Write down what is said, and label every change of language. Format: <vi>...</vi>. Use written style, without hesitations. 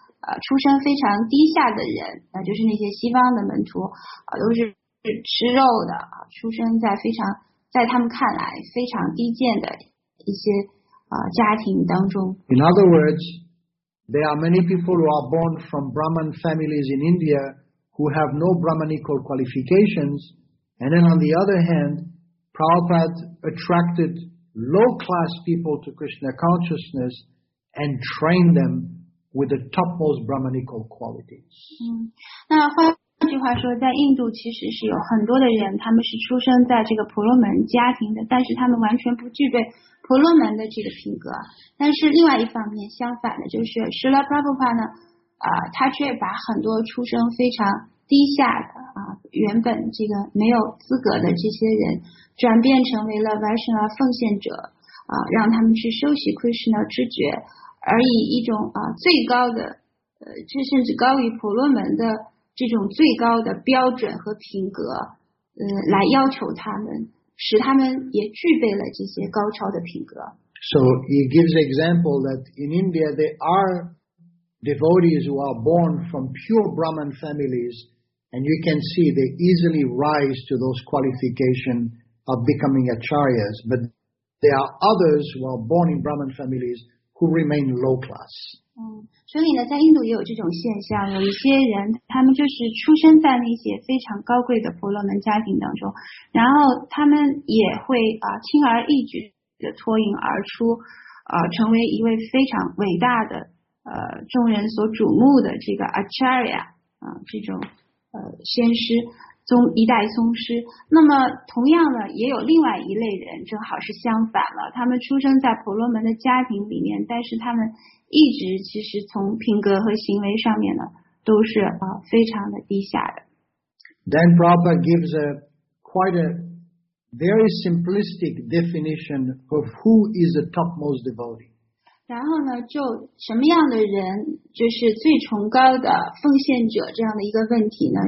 <zh>出身非常低下的人，那就是那些西方的门徒啊，都是吃肉的，出生在非常在他们看来非常低贱的一些家庭当中。</zh> <en>In other words, there are many people who are born from Brahman families in India who have no Brahmanical qualifications, and then on the other hand, Prabhupada attracted low class people to Krishna consciousness and trained them with the topmost Brahmanical qualities.</en> <zh>那换句话说，在印度其实是有很多的人，他们是出生在这个婆罗门家庭的，但是他们完全不具备婆罗门的这个品格。但是另外一方面，相反的就是Srila Prabhupada呢，他却把很多出生非常低下的原本这个没有资格的这些人，转变成为了 Vaishnava 奉献者，让他们去修习 Krishna 知觉，而以一种最高的，这甚至高于婆罗门的这种最高的标准和品格，来要求他们，使他们也具备了这些高超的品格。</zh> <en>So he gives example that in India there are devotees who are born from pure Brahman families. And you can see they easily rise to those qualifications of becoming acharyas. But there are others who are born in Brahman families who remain low class.</en> <zh>所以呢，在印度也有这种现象，有一些人他们就是出生在那些非常高贵的婆罗门家庭当中，然后他们也会轻而易举的脱颖而出，成为一位非常伟大的众人所瞩目的这个 acharya 这种。先师宗一代宗师，那么同样呢，也有另外一类人，正好是相反了。他们出生在婆罗门的家庭里面，但是他们一直其实从品格和行为上面呢，都是非常的低下的。</zh> <en>Then Prabhupada gives a quite a very simplistic definition of who is the topmost devotee.</en> <zh>然后呢，就什么样的人就是最崇高的奉献者这样的一个问题呢？</zh>